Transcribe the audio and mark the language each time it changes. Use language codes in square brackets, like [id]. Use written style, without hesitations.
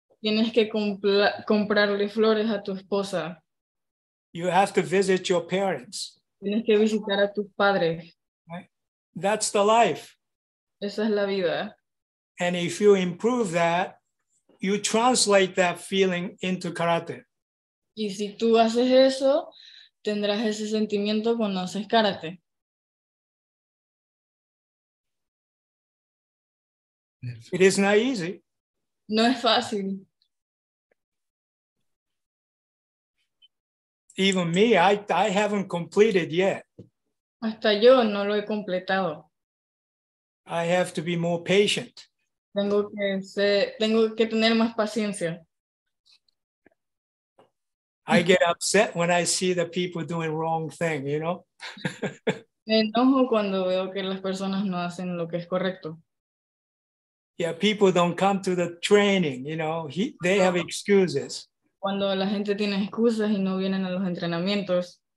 [es] Tienes que comprarle flores a tu esposa. [en] You have to visit your parents. [es] Tienes que visitar a tus padres. [en] Right? That's the life. [es] Esa es la vida. [en] And if you improve that, you translate that feeling into karate. [es] Y si tú haces eso, tendrás ese sentimiento cuando haces karate. [en] It is not easy. [es] No es fácil. [en] Even me, I haven't completed yet. [es] Hasta yo no lo he completado. [en] I have to be more patient. [es] Tengo que tener más paciencia. [en] I get upset when I see the people doing wrong thing, you know? [es] Me enojo cuando veo que las personas no hacen lo que es correcto. [en] Yeah, people don't come to the training, you know, they have excuses. [es] Cuando la gente tiene excusas y no vienen a los entrenamientos.